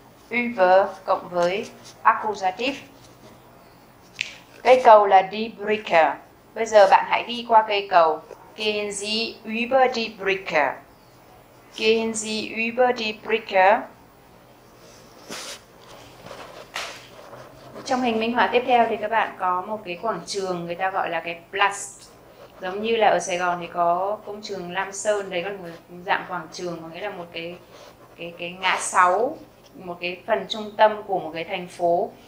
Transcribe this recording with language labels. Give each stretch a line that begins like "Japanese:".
Vietnamese: Über cộng với accusative. Cây cầu là
German: die Brücke.
Vietnamese: Bây giờ bạn hãy đi qua cây cầu.
German: Gehen Sie über die Brücke. Gehen Sie über die Brücke.
Vietnamese: Trong hình minh họa tiếp theo thì các bạn có một cái quảng trường người ta gọi là cái Platz. Giống như là ở Sài Gòn thì có công trường Lam Sơn, đấy là một dạng quảng trường, có nghĩa là một cái ngã sáu, một cái phần trung tâm của một cái thành phố.